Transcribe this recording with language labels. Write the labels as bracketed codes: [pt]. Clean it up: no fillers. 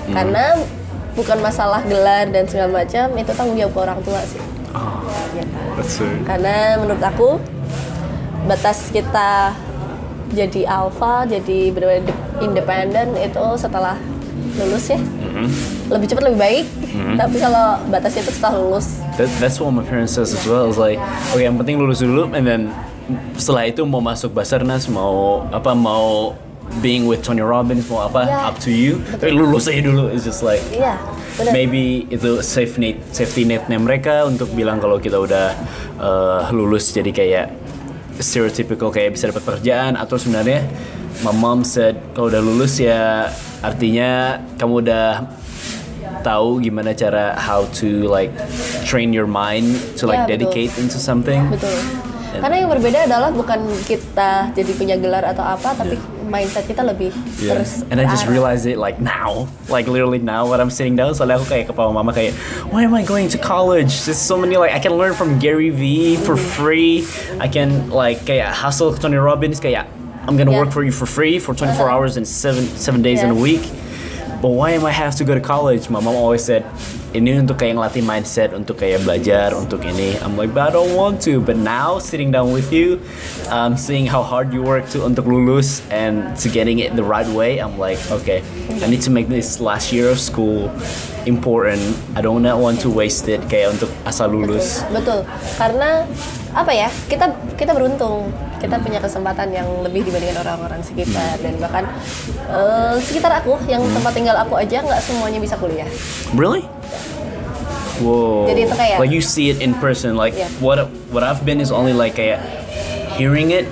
[id] Karena bukan masalah gelar dan segala macam, itu tanggung jawab orang tua sih. [en] Oh, that's true. [id] Karena menurut aku batas kita jadi alpha, jadi benar-benar independen itu setelah lulus ya. Lebih cepat lebih baik. Tapi kalau batasnya itu setelah lulus. [en] That's what my parents says as well. It's like, okay, [id] yang penting lulus dulu [en] and then [id] setelah itu mau masuk Basarnas, mau [en] being with Tony Robbins [id] mau apa, [en] yeah, up to you. [id] Tapi lulus aja dulu, [en] it's just like, yeah, [id] maybe itu safety netnya mereka untuk bilang kalau kita udah lulus jadi kayak stereotypical kayak bisa dapat pekerjaan. Atau sebenarnya [en] my mom said [id] kalau udah lulus ya artinya kamu udah tahu gimana cara [en] how to like train your mind to like dedicate into something. [id] Karena yang berbeda adalah bukan kita jadi punya gelar atau apa, tapi mindset kita lebih [en] And I just realized it like now, like literally now when I'm sitting down. [id] Soalnya aku kayak ke papa mama kayak, [en] why am I going to college? There's so many like I can learn from Gary V for free. I can like kayak hustle Tony Robbins kayak I'm gonna work for you for free for 24 hours and 7 days in a week. But why am I have to go to college? My mom always said, [id] ini untuk kayak ngelatih mindset, untuk kayak belajar, untuk ini. [en] I'm like, but I don't want to. But now, sitting down with you, seeing how hard you work to [id] untuk lulus [en] and to getting it the right way, I'm like, okay, I need to make this last year of school important. I don't want to waste it [id] kayak untuk asal lulus. Betul, karena apa ya, kita beruntung. Kita punya kesempatan yang lebih dibandingkan orang-orang sekitar. Dan bahkan sekitar aku, yang tempat tinggal aku aja, nggak semuanya bisa kuliah. [en] Really? Wow. [id] Jadi itu kayak, [en] like you see it in person, like what I've been is only like kayak hearing it.